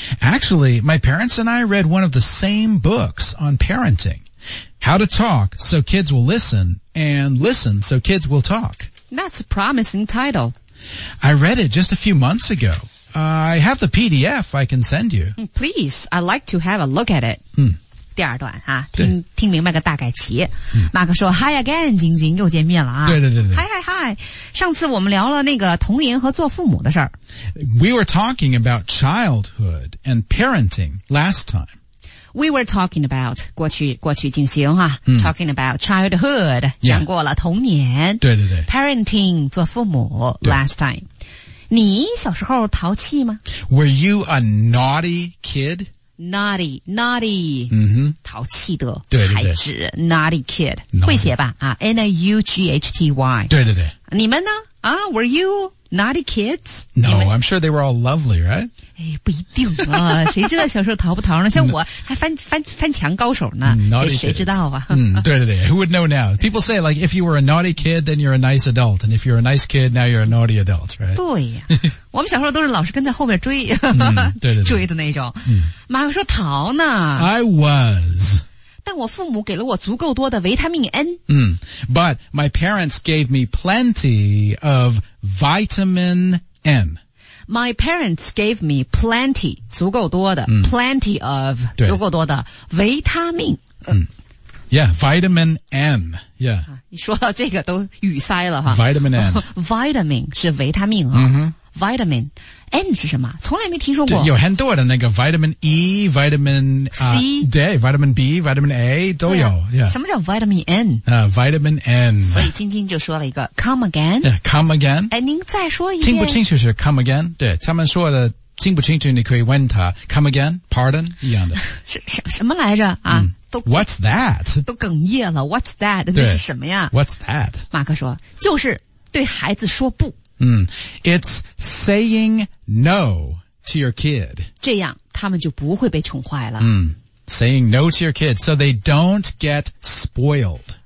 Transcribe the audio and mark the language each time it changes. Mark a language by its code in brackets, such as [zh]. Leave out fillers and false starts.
[en] Actually, my parents and I read one of the same books on parenting. How to talk so kids will listen and listen so kids will talk. That's a promising title. I read it just a few months ago. I have the PDF I can send you. Please, I'd like to have a look at it.、嗯、 [zh] 第二段、啊、听明白个大概齐。马克说 [en] Hi again, [zh] 晶晶又见面了、啊。对对对对。 [en] Hi, hi, hi. [zh] 上次我们聊了那个童年和做父母的事儿。 [en] We were talking about childhood and parenting last time. We were talking about, [zh] 过去进行啊、 [en] talking about childhood,、 yeah. [zh] 讲过了童年。对对对。 Parenting, 做父母 [en] last time. [zh] 你小时候淘气吗 [en] ?Were you a naughty kid? Naughty, naughty.、 Mm-hmm. [zh] 淘气的孩子。对对对 [en] naughty kid. Naughty. [zh] 会写吧啊 ,N-A-U-G-H-T-Y. 对对对。你们呢啊 [en] ,were you... Naughty kids? No, I'm sure they were all lovely, right? [zh] 哎，不一定啊，谁知道小时候淘不淘呢？像我还翻墙高手呢，谁知道啊？ [en] 对对对 ，Who would know now? People say like if you were a naughty kid, then you're a nice adult, and if you're a nice kid, now you're a naughty adult, right? [zh] 对呀、啊，我们小时候都是老师跟在后面追，对对对，追的那种。马克说淘呢 [en] ，I was. [zh] 但我父母给了我足够多的维他命 N。 [en] But my parents gave me plenty of vitamin M. My parents gave me plenty, [zh] 足够多的、 [en] plenty of, [zh] 足够多的维他命。 [en] Yeah, vitamin N. Yeah. [zh] 你说到这个都语塞了哈。 [en] Vitamin N. [zh] Vitamin 是维他命啊。 Mm-hmm. Vitamin N 是什么？从来没听说过。有很多的那个 vitamin E, vitamin [en] C, day, vitamin B, vitamin A [zh] 都有。 [en] Yeah. [zh] 什么叫 vitamin N? [en] Vitamin N. [zh] 所以晶晶就说了一个 come again. [en] Yeah, come again. [zh] 哎，您再说一遍。听不清楚是 [en] come again? [zh] 对，他们说的。听不清楚你可以问他 come again, pardon, 一样的。什么来着啊、嗯、都 [en] what's that? [zh] 都哽咽了 [en] what's that? [zh] 那是什么呀 [en] what's that? [zh] 马克说就是对孩子说不。 [en] It's saying no to your kid. [zh] 这样他们就不会被宠坏了。 [en] Saying no to your kid, so they don't get spoiled.